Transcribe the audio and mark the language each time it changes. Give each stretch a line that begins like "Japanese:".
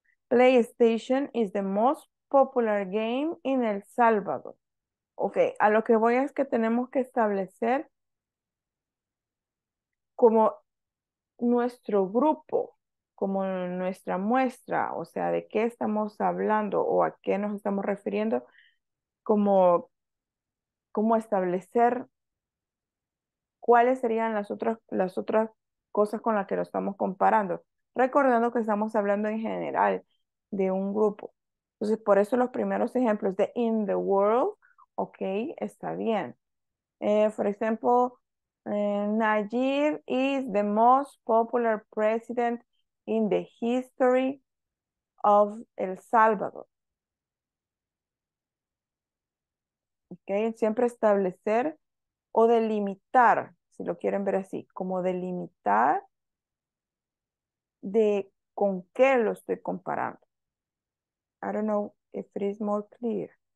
English: PlayStation is the most popular game in El Salvador.
Spanish: Ok, a lo que voy es que tenemos que establecer como nuestro grupo, como nuestra muestra, o sea, de qué estamos hablando o a qué nos estamos refiriendo, como establecer cuáles serían las otras cosas con las que lo estamos comparando, recordando que estamos hablando en general de un grupo. Entonces, por eso los primeros ejemplos de
English: in the world,
Spanish: ok, está bien.
English: For example, Najib is the most popular president in the history of El Salvador.
Spanish: Ok, siempre establecer o delimitar, si lo quieren ver así, como delimitar de con qué lo estoy comparando.
English: I don't know if it is more clear.